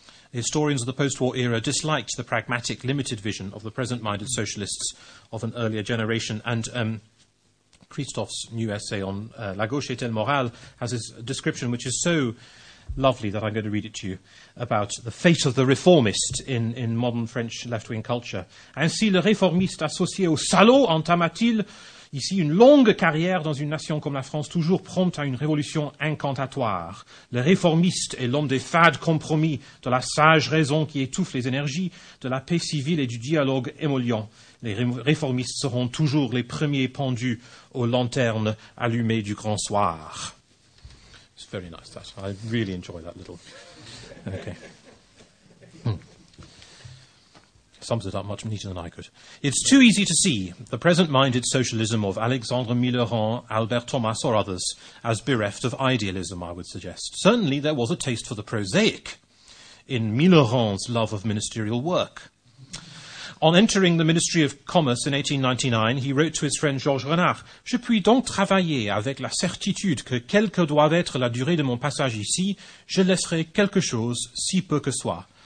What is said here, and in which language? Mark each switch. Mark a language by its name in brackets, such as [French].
[English] The historians of the post-war era disliked the pragmatic, limited vision of the present-minded socialists of an earlier generation, and Christophe's new essay on La gauche est-elle morale has this description which is so lovely that I'm going to read it to you, about the fate of the reformist in modern French left-wing culture. [French] Ainsi, le réformiste associé au salaud entama-t-il ici une longue carrière dans une nation comme la France, toujours prompte à une révolution incantatoire. Le réformiste est l'homme des fades compromis, de la sage raison qui étouffe les énergies, de la paix civile et du dialogue émollient. Les réformistes seront toujours les premiers pendus aux lanternes allumées du grand soir. [English] It's very nice, that. I really enjoy that little... Okay. Sums it up much neater than I could. It's too easy to see the present-minded socialism of Alexandre Millerand, Albert Thomas, or others as bereft of idealism, I would suggest. Certainly there was a taste for the prosaic in Millerand's love of ministerial work. On entering the Ministry of Commerce in 1899, he wrote to his friend Georges Renard, « [French] Je puis donc travailler avec la certitude que quelle que doive être la durée de mon passage ici, je laisserai quelque chose, si peu que soit.